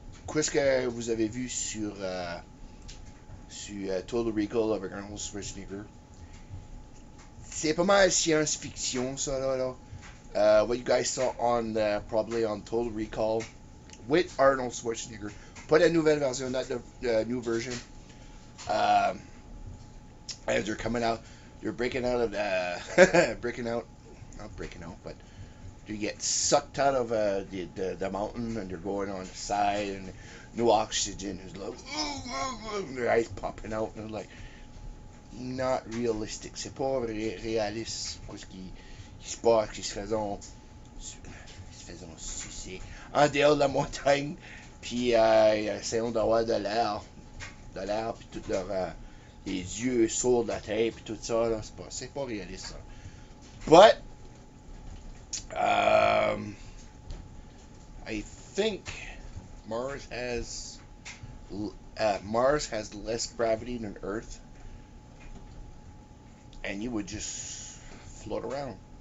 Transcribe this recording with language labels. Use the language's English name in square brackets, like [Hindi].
[French] Qu'est-ce que vous avez vu sur Total Recall avec Arnold Schwarzenegger? C'est pas mal science-fiction, ça, là. [English] What you guys saw on probably on Total Recall with Arnold Schwarzenegger. [French] Pas la nouvelle version, [English] not the new version. As they're coming out, they're breaking out of the breaking out, not breaking out, but they get sucked out of the mountain and they're going on the side and no oxygen is like, and their eyes popping out and like, not realistic. [French] C'est pas réaliste parce qu'ils sportent, ils se faisant sucer en dehors de la montagne, puis essayant d'avoir de l'air, puis toute leur les yeux sourds de la tête, puis tout ça, là, c'est pas réaliste, ça. [English] But, I think Mars has less gravity than Earth, and you would just float around.